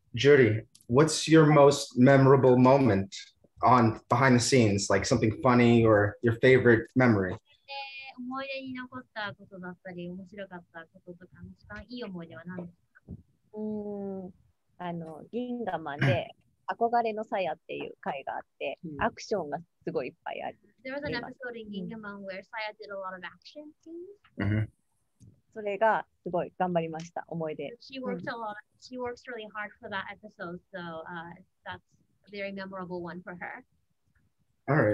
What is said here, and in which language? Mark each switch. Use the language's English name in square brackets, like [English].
[English] Juri, what's your most memorable moment on behind the scenes, like something funny or your favorite memory? [Japanese] 思い出に残ったこととかあったり、面白かったこととか、一番いい思い出は何ですか？銀河マンで憧れのサヤっていう回があって、アクションがすごいいっぱいある。 [English] There was an episode in Gingaman where Saya did a lot of action scenes. [Japanese] それがすごい頑張りました、思い出。 [English] She worked a lot. She works really hard for that episode, so that's a very memorable one for her.